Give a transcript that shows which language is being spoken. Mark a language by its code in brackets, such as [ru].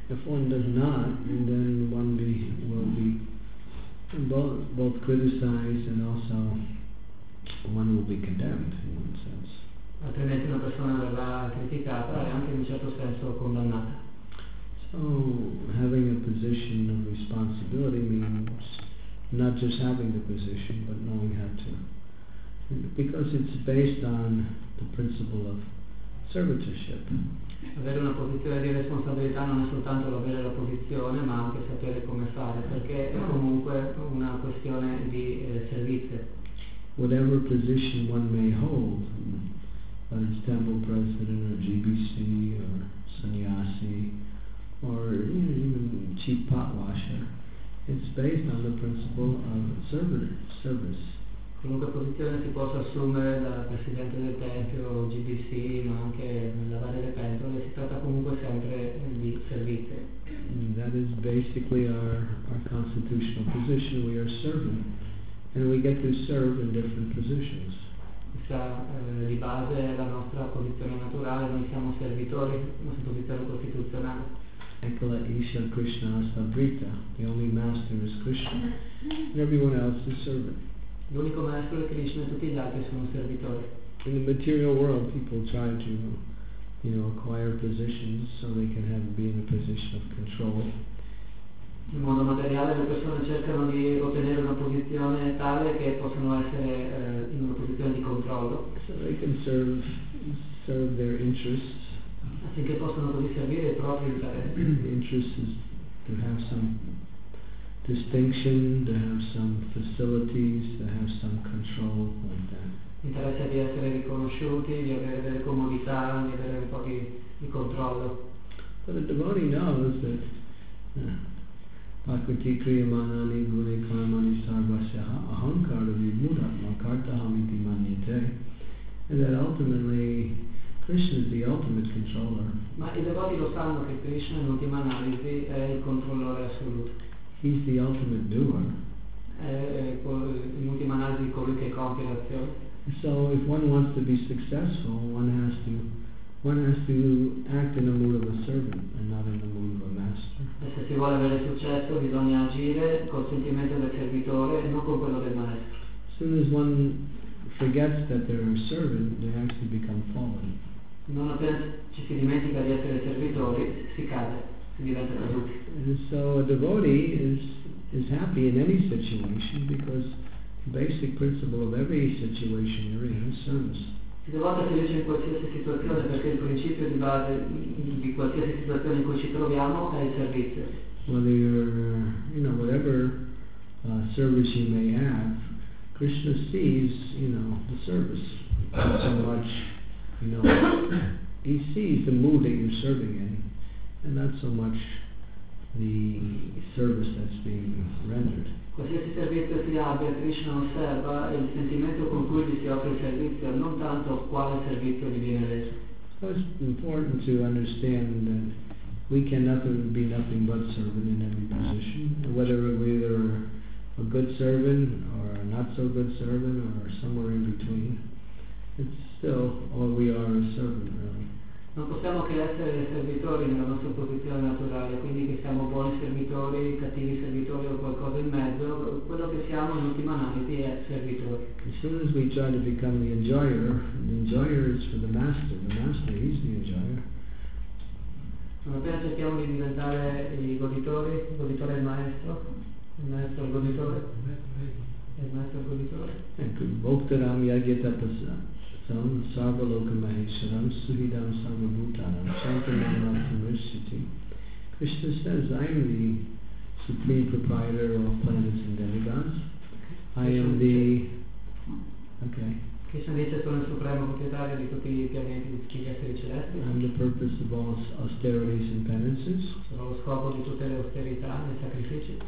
[en] If one does not, then one will be both criticized and also one will be condemned in one sense. [it] Altrimenti una persona verrà criticata e anche in un certo senso condannata. [en] So having a position of responsibility means not just having the position, but knowing how to, because it's based on the principle of servitorship. [it] Avere una posizione di responsabilità non è soltanto avere la posizione, ma anche sapere come fare, perché è comunque una questione di servizio. [en] Whatever position one may hold, whether it's temple president or GBC or sannyasi or even chief pot washer, it's based on the principle of service. [it] Qualunque posizione si possa assumere da presidente del tempio, GBC, ma anche lavare le pentole, si tratta comunque sempre di servizio. [en] That is basically our constitutional position. We are servant, and we get to serve in different positions. [it] Questa di base è la nostra posizione naturale. Noi siamo servitori, nostra posizione costituzionale. [sa] Ekala Isha Krishna Sabrita. [en] The only master is Krishna, and everyone else is servant. [it] L'unico maestro è Krishna e tutti gli altri sono servitori. [en] In the material world people try to, you know, acquire positions so they can be in a position of control. [it] Nel mondo materiale le persone cercano di ottenere una posizione tale che possono essere in una posizione di controllo. [en] So they can serve their interests. [it] Affinché possano così servire i propri interessi. [en] The interest is to have some distinction, to have some facilities, to have some control like that. [it] L'interesse di essere riconosciuti, di avere delle comodità, di avere un po' di controllo. [en] But the devotee knows that [sa] Pakriti Kriyamanani Gune Karmani Sarvasya Ahankara Vimudatma Kartahamiti Manyate, [en] and that ultimately Krishna is the ultimate controller. [it] Ma i devoti lo sanno che Krishna in ultima analisi è il controllore assoluto. [en] He's the ultimate doer. [it] In ultima analisi colui che compie l'azione. [en] So if one wants to be successful, one has to act in the mood of a servant and not in the mood of a master. [it] E se si vuole avere successo bisogna agire col sentimento del servitore e non con quello del maestro. [en] As soon as one forgets that they're a servant, they actually become fallen. [it] Non appena ci si dimentica di essere servitori, si cade. [en] And so a devotee is happy in any situation because the basic principle of every situation you're in is service. [it] Il devoto è felice in qualsiasi situazione perché il principio di base di qualsiasi situazione in cui ci troviamo è il servizio. [en] Whether you're, you know, whatever service you may have, Krishna sees, you know, the service. Not so much, you know, he sees the mood that you're serving in. And not so much the service that's being rendered. [it] Qualsiasi servizio si abbia, Krishna osserva il sentimento con cui gli si offre il servizio, non tanto quale servizio gli viene reso. [en] So it's important to understand that we can be nothing but servant in every position, whether we're a good servant or a not so good servant or somewhere in between. It's still all we are, a servant, really. [it] Non possiamo che essere servitori nella nostra posizione naturale, quindi che siamo buoni servitori, cattivi servitori o qualcosa in mezzo, quello che siamo in ultima analisi è servitori. [en] As soon as we try to become the enjoyer is for the master, he's the enjoyer. [it] Appena cerchiamo di diventare i goditori, il goditore è il maestro è il goditore. [sa] Bhoktaram yagyatapasam sam sarvalokamaheshwaram suhidam sarvabhutanam santamanam samrishiti. [en] Krishna says, I am the supreme proprietor of planets and demigods. I am the... Okay. [it] Krishna dice, sono il supremo proprietario di tutti i pianeti e tutti gli esseri celesti. [en] I am the purpose of all austerities and penances. [it] Sono lo scopo di tutte le austerità e sacrifici.